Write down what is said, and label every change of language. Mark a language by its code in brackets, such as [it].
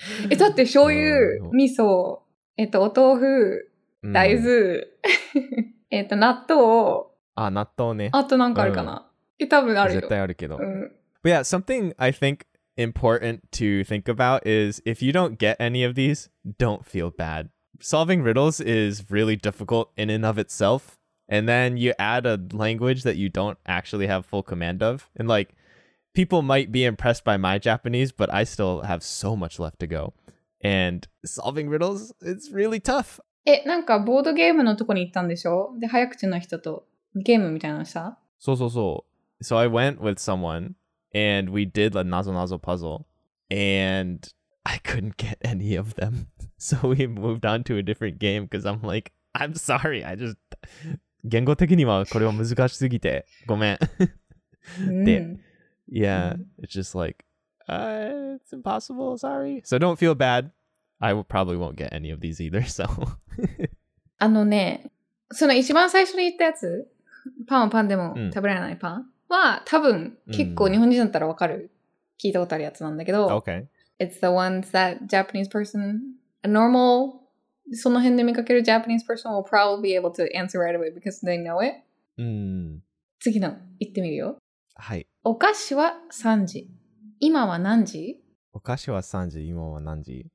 [ja] え、だって醤油、味噌、お豆腐、大豆、納豆。あ、納豆ね。あとなんかあるかな、多分あるよ。絶対あるけど。 [en] But yeah, something I think important to think about is if you don't get any of these, don't feel bad. Solving riddles is really difficult in and of itself. And then you add a language that you don't actually have full command of. And like, people might be impressed by my Japanese, but I still have so much left to go. And solving riddles, it's really tough. [ja] え、なんかボードゲームのとこに行ったんでしょ?で、早口の人とゲームみたいなのした? そうそうそう。 [en] So I went with someone, and we did a nazo nazo puzzle. And I couldn't get any of them. So we moved on to a different game because I'm like, I'm sorry, I just [ja] 言語的にはこれは難しすぎてごめん。 [en] で、yeah, it's just like, it's impossible, sorry. So don't feel bad. I probably won't get any of these either, so. [ja] あのね、その一番最初に言ったやつ、パンはパンでも食べられないパン、は多分結構日本人だったらわかる、聞いたことあるやつなんだけど、 [en] okay. It's the ones that Japanese person, a normal... [ja] その辺で見かける [en] Japanese person will probably be able to answer right away because they know it. [ja] 次の、言ってみるよ。はい。お菓子は3時。今は何時？お菓子は3時、今は何時？